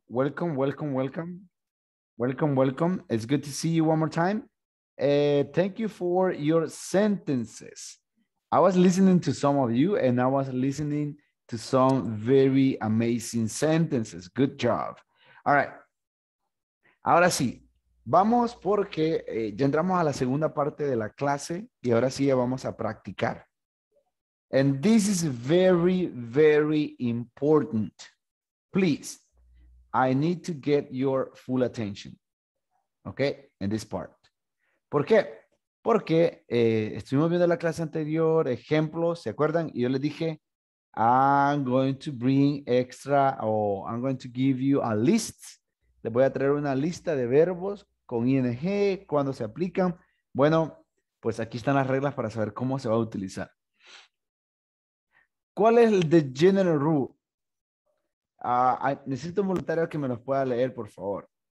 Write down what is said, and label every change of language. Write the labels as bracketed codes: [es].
[en] It's good to see you one more time. Thank you for your sentences. I was listening to some of you and I was listening to some very amazing sentences. Good job. All right. [es] Ahora sí, vamos porque ya entramos a la segunda parte de la clase y ahora sí ya vamos a practicar. [en] And this is very, very important. Please, I need to get your full attention, okay, in this part. [es] ¿Por qué? Porque estuvimos viendo la clase anterior, ejemplos, ¿se acuerdan? Y yo les dije, [en] I'm going to bring extra, or I'm going to give you a list. [es] Les voy a traer una lista de verbos con ING, cuándo se aplican. Bueno, pues aquí están las reglas para saber cómo se va a utilizar. ¿Cuál es el [en] the general rule? [es] Necesito un voluntario que me los pueda leer, por favor.